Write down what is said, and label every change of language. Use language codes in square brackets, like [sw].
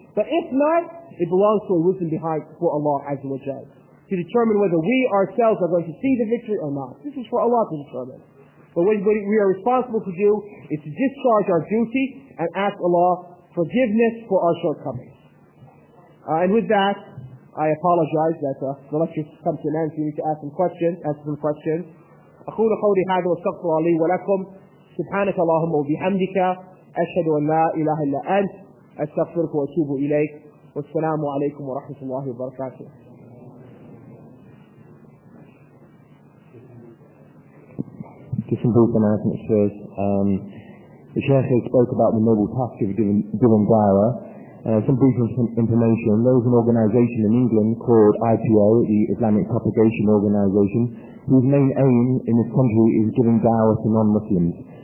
[en] But if not, it belongs to a wisdom behind for Allah Azza wa Jalla to determine whether we ourselves are going to see the victory or not. This is for Allah to determine. But what we are responsible to do is to discharge our duty and ask Allah forgiveness for our shortcomings. And with that, I apologize that the lecture has come to an end, so you need to ask some questions, [ar] أقول قولي هذا واستغفر لي ولكم سبحانك اللهم وبحمدك أشهد أن لا إله إلا أنت أستغفرك وأتوب إليك والسلام عليكم ورحمة الله وبركاته. [en] Just some brief announcements first. The Sheikh has spoke about the noble task of giving da'wah. Some brief information. There is an organization in England called IPO, the Islamic Propagation Organization, whose main aim in this country is giving da'wah to non-Muslims.